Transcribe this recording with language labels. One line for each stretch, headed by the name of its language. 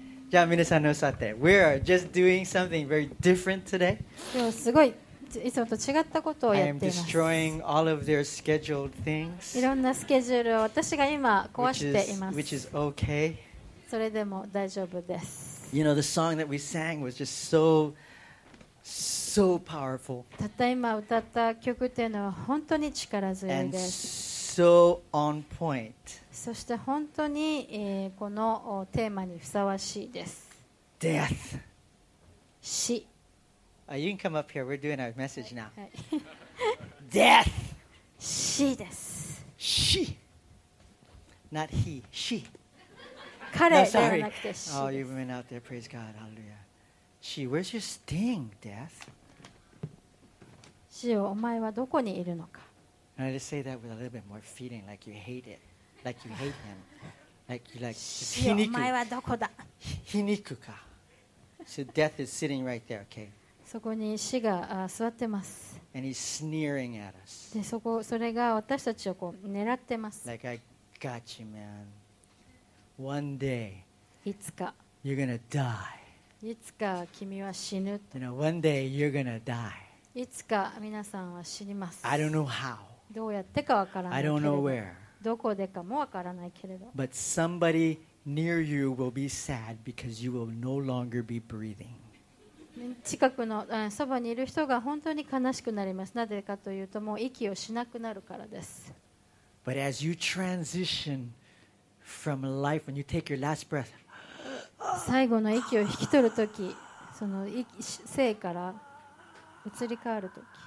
Japanese: じゃあ皆さんの座って、
English: We are just doing something very different today.
Japanese: 今日すごいいつもと違ったことをやっています。
English: I am destroying all of their scheduled things.
Japanese: いろんなスケジュールを私が今壊しています。
English: Which is okay.
Japanese: それでも大丈夫です。
English: You know, the song that we sang was just so, so powerful.
Japanese: たった今歌った曲っていうのは本当に力強いです。
English: And so on point.
Japanese: そして本当に、このテーマにふさわしいです。
English: Death.
Japanese: 死。
English: You can come up here. We're doing our message now. Death.
Japanese: 死です。死。
English: Not he.
Japanese: 死。彼ではなくて死。
English: Oh, you women out there, praise God, hallelujah. 死、where's your sting, death?
Japanese: 死よ、お前はどこにいるのか。
English: And I just say that with a little bit more feeling, like you hate it. Like you hate him, like you like. 皮肉。
Japanese: お前はどこだ？皮肉か。
English: So death is sitting right there, okay?
Japanese: そこに死が座ってます。
English: And he's sneering at us.
Japanese: で、そこ、それが私たちをこう狙ってます。
English: Like, I got you, man. One day,
Japanese: いつか、
English: you're gonna die.
Japanese: いつか君は死ぬ。
English: You know, one day you're gonna die.
Japanese: いつか皆さんは死にます。
English: I don't know how.
Japanese: どうやってかわからない。
English: I don't know where.
Japanese: どこでかもわからないけれど。
English: But somebody near you will be sad because you will no longer be breathing.
Japanese: 近くの、そばにいる人が本当に悲しくなります。なぜかというと、もう息をしなくなるからです。
English: But as you transition from life, when you take your last breath,
Japanese: 最後の息を引き取るとき、その生から移り変わるとき。